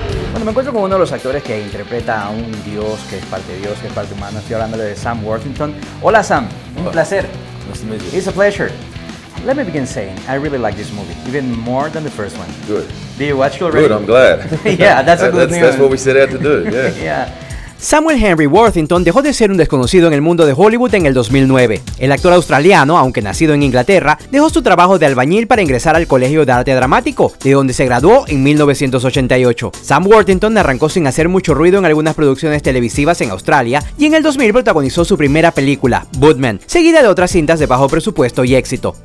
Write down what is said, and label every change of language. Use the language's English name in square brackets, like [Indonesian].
[Spanish] cuando me encuentro con uno de los actores que interpreta a un dios, que es parte dios, que es parte humano, estoy hablando de Sam Worthington. Hola, Sam. Un placer. [English] Nice to meet you. It's a pleasure. Let me begin saying, I really like this movie, even more than the first one. Good. Did you watch it already? Good, I'm glad. yeah, that's good news. That's what we set out to do, yeah. [Spanish] Samuel Henry Worthington dejó de ser un desconocido en el mundo de Hollywood en el 2009. El actor australiano, aunque nacido en Inglaterra, dejó su trabajo de albañil para ingresar al Colegio de Arte Dramático, de donde se graduó en 1988. Sam Worthington arrancó sin hacer mucho ruido en algunas producciones televisivas en Australia y en el 2000 protagonizó su primera película, Budman, seguida de otras cintas de bajo presupuesto y éxito.